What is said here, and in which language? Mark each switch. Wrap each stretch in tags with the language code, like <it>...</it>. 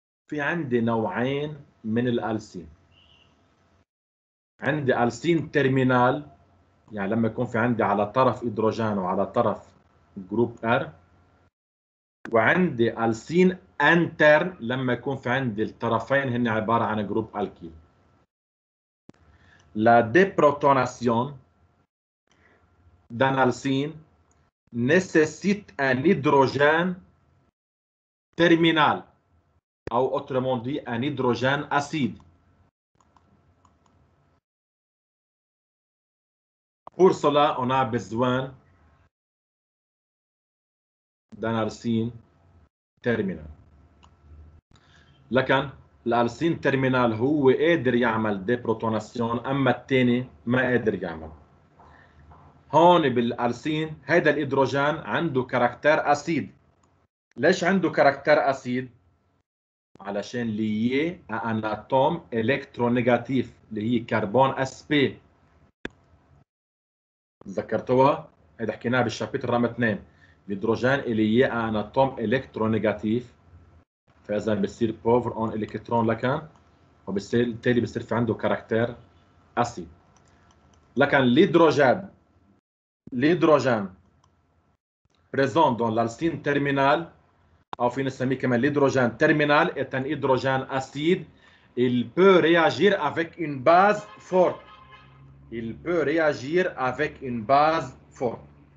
<ar>في عندي نوعين من الألسين، عندي ألسين تيرمينال يعني لما يكون في عندي على طرف هيدروجين وعلى طرف جروب R، وعندي ألسين أنترن لما يكون في عندي الطرفين هن عبارة عن جروب ألكيل.</ar> <fr>La déprotonation d'un alcyne nécessite un hydrogène terminal, ou autrement dit, un hydrogène acide. Pour cela, on a besoin d'un alcyne terminal.</fr> <ar>Lakan, الألسين تيرمينال هو قادر يعمل ديبروتوناسيون، أما الثاني ما قادر يعمل. هون بالألسين هذا الهيدروجين عنده كاركتر أسيد. ليش عنده كاركتر أسيد؟ علشان ليه أن أتوم إلكترونيجاتيف اللي هي كربون أس بي. ذكرتوها؟ هذا حكيناها بالشابتر رقم 2. الهيدروجين ليه أن أتوم إلكترونيجاتيف، فإذا بصير باور اون الكترون لكن، وبالتالي بصير في عنده كاركتر اسيد. لكن الهيدروجين بريزون دون لالسين تيرمينال، او في نسميه كمان الهيدروجين تيرمينال، اتان هيدروجين اسيد.</ar> <fr>il peut réagir avec une base forte. il peut réagir avec une base forte.</fr>